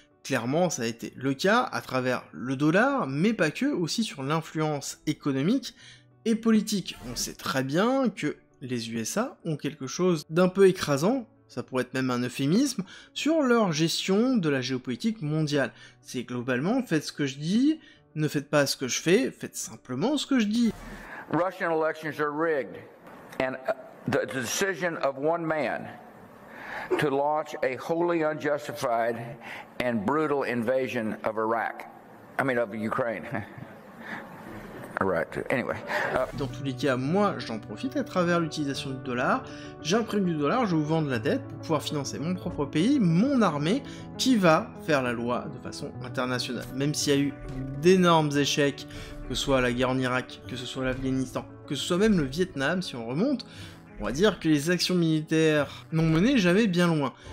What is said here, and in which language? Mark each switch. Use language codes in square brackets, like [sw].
[fr] Clairement, ça a été le cas à travers le dollar, mais pas que, aussi sur l'influence économique et politique. On sait très bien que les USA ont quelque chose d'un peu écrasant, ça pourrait être même un euphémisme, sur leur gestion de la géopolitique mondiale. C'est globalement, faites ce que je dis, ne faites pas ce que je fais, faites simplement ce que je dis. [en] Russian elections are rigged, and the decision of one man to launch a wholly unjustified and brutal invasion of Iraq. I mean of Ukraine. Right. [fr] Anyway, dans tous les cas, moi, j'en profite à travers l'utilisation du dollar. J'imprime du dollar, je vous vends de la dette pour pouvoir financer mon propre pays, mon armée, qui va faire la loi de façon internationale. Même s'il y a eu d'énormes échecs, que ce soit la guerre en Irak, que ce soit l'Afghanistan, que ce soit même le Vietnam, si on remonte, on va dire que les actions militaires n'ont mené jamais bien loin.